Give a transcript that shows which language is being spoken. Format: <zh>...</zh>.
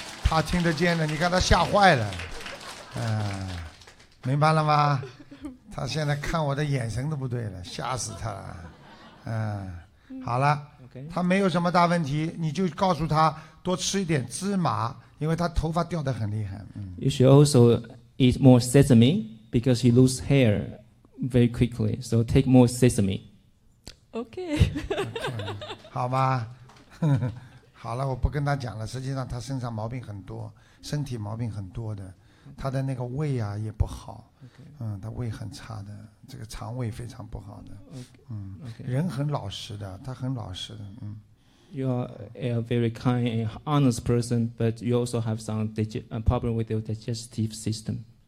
<zh>他听得见的，你看他吓坏了。明白了吗？他现在看我的眼神都不对了，吓死他了。好了。</zh> <en>Okay.</en> <zh>他没有什么大问题，你就告诉他多吃一点芝麻，因为他头发掉得很厉害。</zh> <en>You should also eat more sesame because he lose hair very quickly. So take more sesame. Okay. okay.</en> <zh>好吧，好了，我不跟他讲了。实际上他身上毛病很多，身体毛病很多的，他的那个胃啊也不好。嗯，他胃很差的，这个肠胃非常不好的。</zh> <en>Okay.</en> <zh>人很老实的，他很老实的。</zh> <en>You are a very kind and honest person, but you also have some problem with your digestive system.</en>